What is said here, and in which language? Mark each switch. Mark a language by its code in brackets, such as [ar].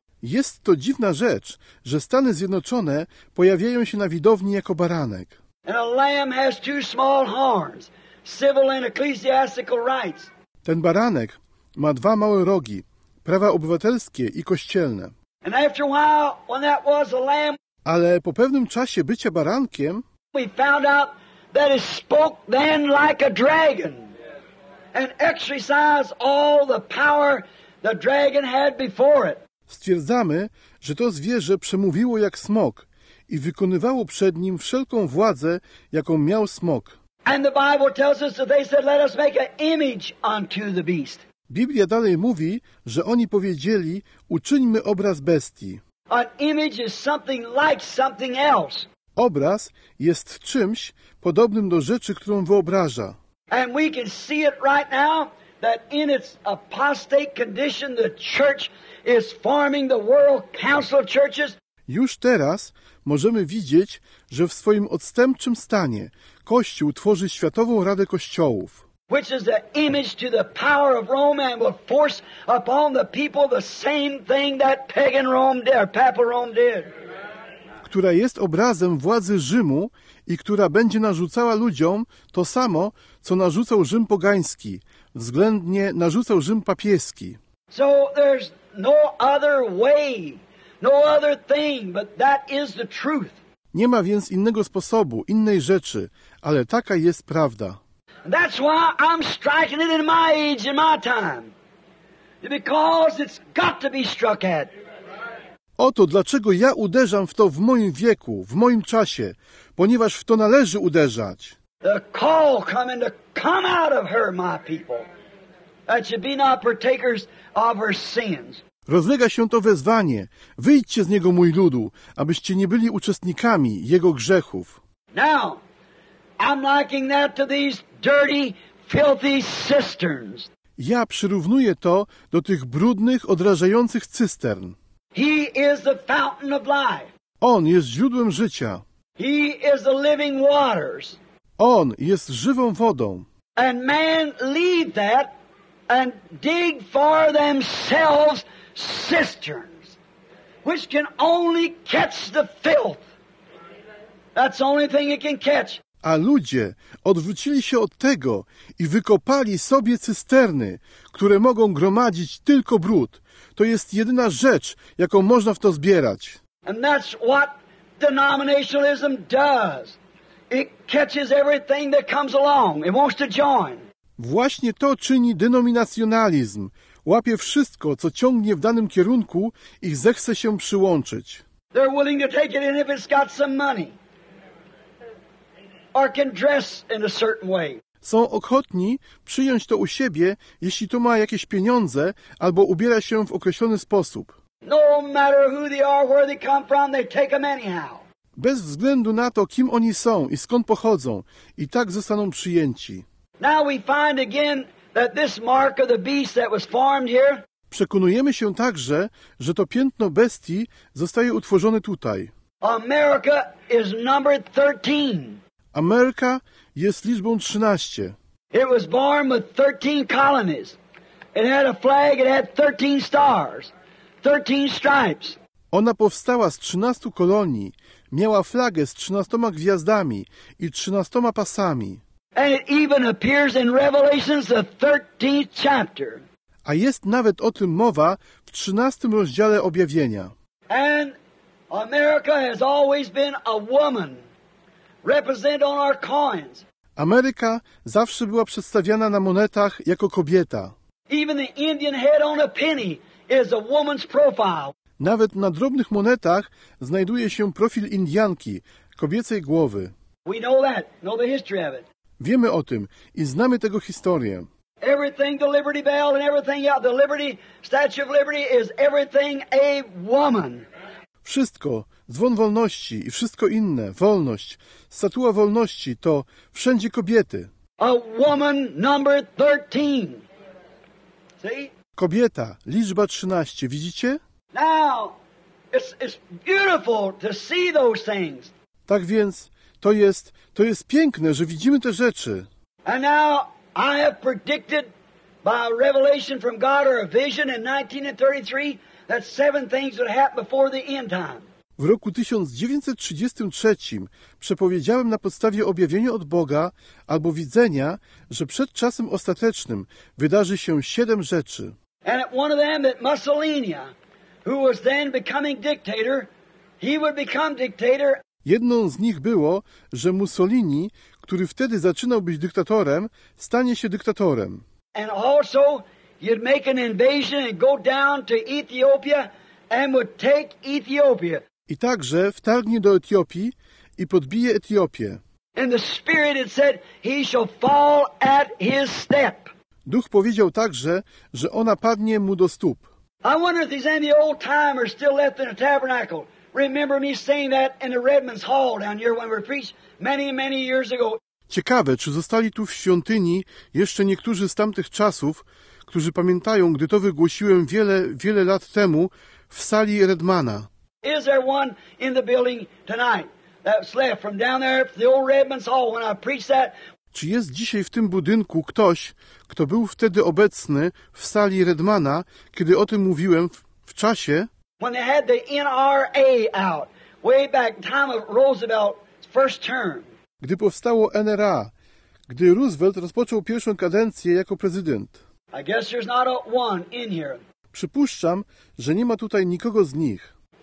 [pl] Jest to dziwna rzecz, że Stany Zjednoczone pojawiają się na widowni jako baranek. [en] And a lamb has two small horns, civil and ecclesiastical rights. [pl] Ten baranek ma dwa małe rogi, prawa obywatelskie i kościelne. [en] And after a while, when that was a lamb, [pl] ale po pewnym czasie bycia barankiem, [en] we found out that it spoke then like a dragon and exercised all the power the dragon had before it. [pl] Stwierdzamy, że to zwierzę przemówiło jak smok i wykonywało przed nim wszelką władzę, jaką miał smok. [en] And the Bible tells us that they said, "Let us make an image unto the beast." [pl] Biblia dalej mówi, że oni powiedzieli, uczyńmy obraz bestii. [en] An image is something like something else. [pl] Obraz jest czymś podobnym do rzeczy, którą wyobraża. [en] And we can see it right now that in its apostate condition the church is forming the world council churches. [pl] Już teraz możemy widzieć, że w swoim odstępczym stanie Kościół tworzy Światową Radę Kościołów. [en] Which is the image to the power of Rome and will force upon the people the same thing that pagan Rome did, or papal Rome did. [pl] Która jest obrazem władzy Rzymu i która będzie narzucała ludziom to samo, co narzucał Rzym pogański, względnie narzucał Rzym papieski. [en] So there's no other way, no other thing, but that is the truth. [pl] Nie ma więc innego sposobu, innej rzeczy, ale taka jest prawda. [en] That's why I'm striking it in my age, in my time. Because it's got to be struck at. [pl] Oto dlaczego ja uderzam w to w moim wieku, w moim czasie, ponieważ w to należy uderzać. [en] The call coming to come out of her, my people, that you be not partakers of her sins. [pl] Rozlega się to wezwanie. Wyjdźcie z niego, mój ludu, abyście nie byli uczestnikami jego grzechów. [en] Now, I'm liking that to these dirty, filthy cisterns. [pl] Ja przyrównuję to do tych brudnych, odrażających cystern. [en] He is the fountain of life. [pl] On jest źródłem życia. [en] He is the living waters. [pl] On jest żywą wodą. [en] And man leave that and dig for themselves cisterns, which can only catch the filth. That's the only thing it can catch. [pl] A ludzie odwrócili się od tego i wykopali sobie cysterny, które mogą gromadzić tylko brud. To jest jedyna rzecz, jaką można w to zbierać. [en] And that's what denominationalism does. It catches everything that comes along. It wants to join. [pl] Właśnie to czyni denominacjonalizm. Łapie wszystko, co ciągnie w danym kierunku i zechce się przyłączyć. [en] They're willing to take it in if it's got some money. Or can dress in a certain way. [pl] Są ochotni przyjąć to u siebie, jeśli to ma jakieś pieniądze albo ubiera się w określony sposób. [en] No matter who they are, where they come from, they take them anyhow. [pl] Bez względu na to, kim oni są i skąd pochodzą, i tak zostaną przyjęci. [en] Now we find again that this mark of the beast that was formed here. [pl] Przekonujemy się także, że to piętno bestii zostaje utworzone tutaj. [en] America is number 13. [pl] Ameryka jest liczbą 13. [en] It was born with 13 colonies. It had a flag, it had 13 stars, 13 stripes. [pl] Ona powstała z 13 kolonii, miała flagę z 13 gwiazdami i 13 pasami. [en] And it even appears in Revelations, the 13th chapter. [pl] A jest nawet o tym mowa w 13 rozdziale objawienia. [en] And America has always been a woman. Represent on our coins. [pl] Ameryka zawsze była przedstawiana na monetach jako kobieta. [en] Even the Indian head on a penny is a woman's profile. [pl] Nawet na drobnych monetach znajduje się profil Indianki, kobiecej głowy. [en] We know that. Know the history of it. [pl] Wiemy o tym i znamy tego historię. [en] Everything, the Liberty Bell and everything, yeah, the Liberty, Statue of Liberty is everything a woman. [pl] Wszystko, dzwon wolności i wszystko inne, wolność, statua wolności, to wszędzie kobiety. [en] A woman number 13. See? [pl] Kobieta, liczba 13, widzicie? [en] Now, it's beautiful to see those things. [pl] Tak więc to jest piękne, że widzimy te rzeczy. [en] And now I have predicted by a revelation from God or a vision in 1933 that seven things would happen before the end time. [pl] W roku 1933 przepowiedziałem na podstawie objawienia od Boga albo widzenia, że przed czasem ostatecznym wydarzy się siedem rzeczy. [en] And one of them that Mussolini, who was then becoming dictator, he would become dictator. [pl] Jedną z nich było, że Mussolini, który wtedy zaczynał być dyktatorem, stanie się dyktatorem. [en] And also you'd make an invasion and go down to Ethiopia and would take Ethiopia. [pl] I także wtargnie do Etiopii i podbije Etiopię. [en] And the spirit had said he shall fall at his step. [pl] Duch powiedział także, że ona padnie mu do stóp. [en] I wonder if there's any old timers still left in the tabernacle. Remember me saying that in the Redmond's Hall down here when we preached many, many years ago. [pl] Ciekawe, czy zostali tu w świątyni jeszcze niektórzy z tamtych czasów, którzy pamiętają, gdy to wygłosiłem wiele, wiele lat temu w sali Redmana. [en] Is there one in the building tonight that's left from down there from the old Redmond's Hall when I preached that? [pl] Czy jest dzisiaj w tym budynku ktoś, kto był wtedy obecny w sali Redmana, kiedy o tym mówiłem w czasie? [en] When they had the NRA out, way back in time of Roosevelt's first term. [pl] Gdy powstało NRA, gdy Roosevelt rozpoczął pierwszą kadencję jako prezydent. [en] I guess there's not a one in here. [pl] Przypuszczam, że nie ma tutaj nikogo z nich.